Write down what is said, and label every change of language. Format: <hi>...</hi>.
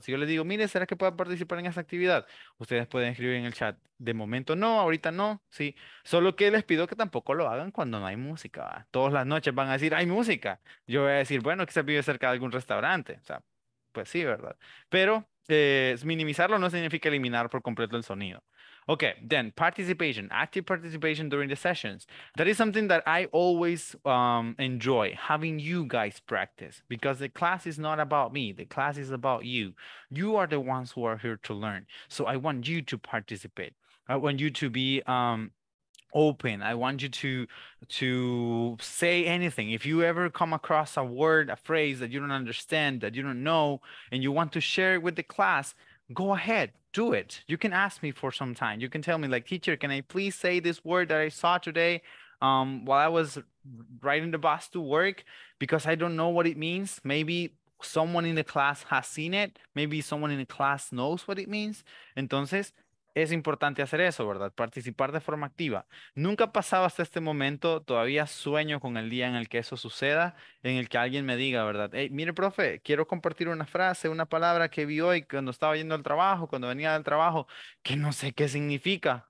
<es>Si yo les digo, mire, ¿será que pueda participar en esa actividad? Ustedes pueden escribir en el chat, de momento no, ahorita no, sí. Solo que les pido que tampoco lo hagan cuando no hay música, ¿verdad? Todas las noches van a decir, hay música. Yo voy a decir, bueno, que se vive cerca de algún restaurante, o sea, pues sí, ¿verdad? Pero minimizarlo no significa eliminar por completo el sonido.</es> <en>Okay, then participation, active participation during the sessions. That is something that I always enjoy, having you guys practice, because the class is not about me, the class is about you. You are the ones who are here to learn. So I want you to participate. I want you to be open. I want you to say anything. If you ever come across a word, a phrase that you don't understand, that you don't know, and you want to share it with the class, go ahead, do it. You can ask me for some time. You can tell me, like, teacher, can I please say this word that I saw today while I was riding the bus to work? Because I don't know what it means. Maybe someone in the class has seen it. Maybe someone in the class knows what it means.</en> <es>Entonces, es importante hacer eso, ¿verdad? Participar de forma activa. Nunca ha pasado hasta este momento, todavía sueño con el día en el que eso suceda, en el que alguien me diga, ¿verdad? Hey, mire, profe, quiero compartir una frase, una palabra que vi hoy cuando estaba yendo al trabajo, cuando venía del trabajo, que no sé qué significa.</es>